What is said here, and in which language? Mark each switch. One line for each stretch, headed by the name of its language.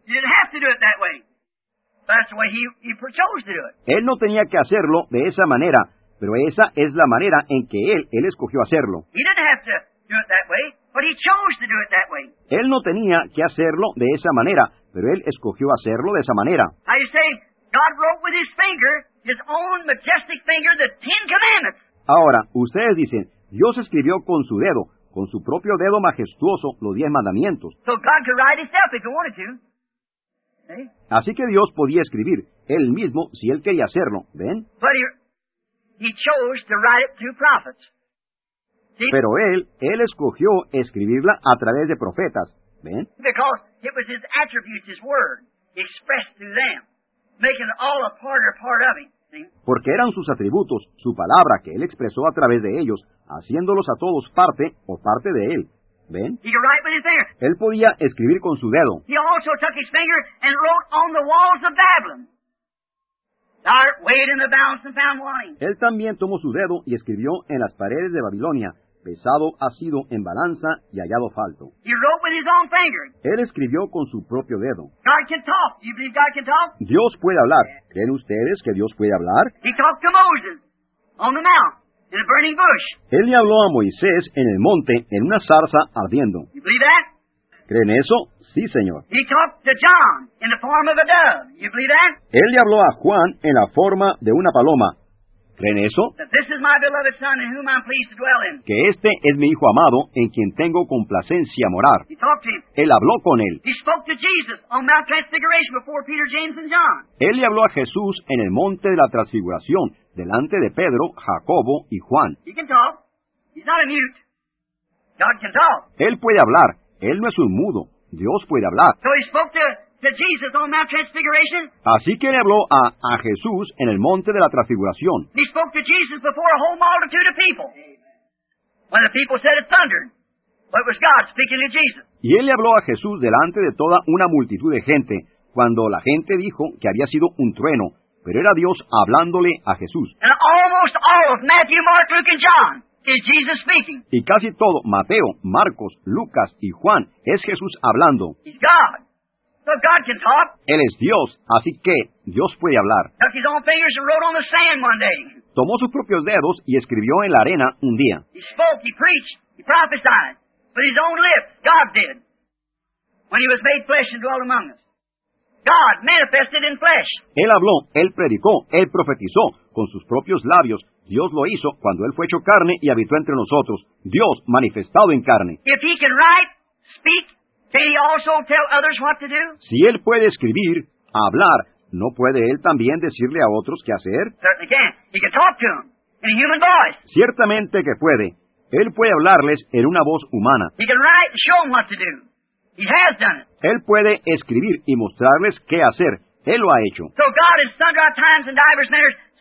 English: He didn't have to do it that way. That's the way he chose to do it.
Spanish: Él no tenía que hacerlo de esa manera, pero esa es la manera en que él escogió hacerlo.
English: He didn't have to do it that way, but he chose to do it that way.
Spanish: Él no tenía que hacerlo de esa manera, pero él escogió hacerlo de esa manera.
English: How you say, God wrote with His finger, His own majestic finger, the Ten Commandments.
Spanish: Ahora, ustedes dicen, Dios escribió con su dedo, con su propio dedo majestuoso, los 10 mandamientos.
English: So God could write himself if he wanted to.
Spanish: Así que Dios podía escribir Él mismo si Él quería hacerlo, ¿ven?
English: But he chose to write it through prophets. See?
Spanish: Pero Él escogió escribirla a través de profetas, ¿ven?
English: Because it was His attributes, His word, expressed through them, making all a part of Him.
Spanish: Porque eran sus atributos, su palabra que Él expresó a través de ellos, haciéndolos a todos parte o parte de Él. ¿Ven?
English: He could write with his finger.
Spanish: Él podía escribir con su dedo.
English: He also took his finger and wrote on the walls of Babylon. Dart weighed in the balance and found wanting.
Spanish: Él también tomó su dedo y escribió en las paredes de Babilonia. Pesado ha sido en balanza y hallado falto.
English: He wrote with his own finger.
Spanish: Él escribió con su propio dedo.
English: God can talk. You believe God can talk?
Spanish: Dios puede hablar. ¿Creen ustedes que Dios puede hablar?
English: He talked to Moses on the mount in a burning bush.
Spanish: Él le habló a Moisés en el monte en una zarza ardiendo.
English: You believe that?
Spanish: ¿Creen eso? Sí, Señor.
English: He talked to John in the form of a dove. You believe that?
Spanish: Él le habló a Juan en la forma de una paloma. ¿Creen eso?
English: This is my beloved son in whom I'm pleased to dwell in.
Spanish: Que este es mi hijo amado en quien tengo complacencia morar.
English: He talked to him.
Spanish: Él habló con él.
English: He spoke to Jesus on Mount Transfiguration before Peter, James, and John.
Spanish: Él le habló a Jesús en el monte de la transfiguración delante de Pedro, Jacobo y Juan.
English: He can talk. He's not a mute. God can talk.
Spanish: Él puede hablar. Él no es un mudo. Dios puede hablar.
English: So he spoke to Jesus on Mount Transfiguration.
Spanish: Así que le habló a Jesús en el monte de la transfiguración.
English: He spoke to Jesus before a whole multitude of people. Amen. When the people said it thundered. But it was God speaking to Jesus.
Spanish: Y él le habló a Jesús delante de toda una multitud de gente, cuando la gente dijo que había sido un trueno, pero era Dios hablándole a Jesús.
English: And almost all of Matthew, Mark, Luke, and John. Is Jesus speaking?
Spanish: Y casi todo, Mateo, Marcos, Lucas y Juan, es Jesús hablando.
English: He's God. So God can talk.
Spanish: Él es Dios, así que Dios puede hablar.
English: Took his own fingers and wrote on the sand one day.
Spanish: Tomó sus propios dedos y escribió en la arena un día.
English: He spoke, he preached, he prophesied. With his own lips, God did. When he was made flesh and dwelt among us. God manifested in flesh.
Spanish: Él habló, él predicó, él profetizó con sus propios labios. Dios lo hizo cuando Él fue hecho carne y habitó entre nosotros. Dios manifestado en carne.
English: If he can write, speak, can he also tell others what to do?
Spanish: Si Él puede escribir, hablar, ¿no puede Él también decirle a otros qué hacer?
English: Certainly can. He can talk to them in a human voice.
Spanish: Ciertamente que puede. Él puede hablarles en una voz humana.
English: He can write and show them what to do. He has done it.
Spanish: Él puede escribir y mostrarles qué hacer. Él lo ha hecho.
English: So God has sundry times and diverse manners.